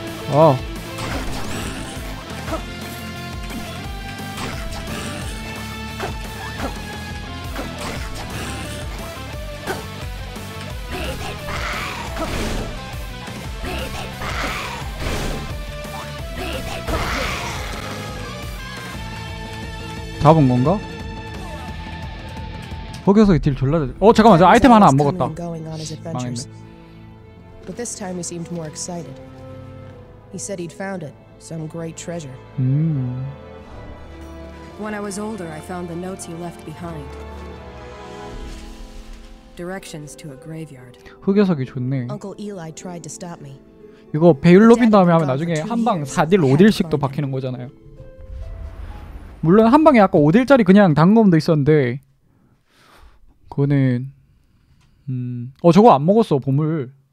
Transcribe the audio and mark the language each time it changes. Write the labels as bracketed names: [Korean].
[Korean] 아, 잡은 건가? 흑요석이 딜 졸라. 어 잠깐만, 저 아이템 하나 안 먹었다. 망했네. [English] But this time he seemed more excited. He said he'd found it, some great treasure. When I was older, I found the notes he left behind. Directions to a graveyard. [Korean] 흑요석이 좋네. [English] Uncle Eli tried to stop me. [Korean] 이거 베일 로빈 다음에 하면 나중에 한 방 4딜 5딜씩도 박히는 거잖아요. 물론 한 방에 아까 5딜짜리 그냥 단검도 있었는데 그거는 어 저거 안 먹었어 보물.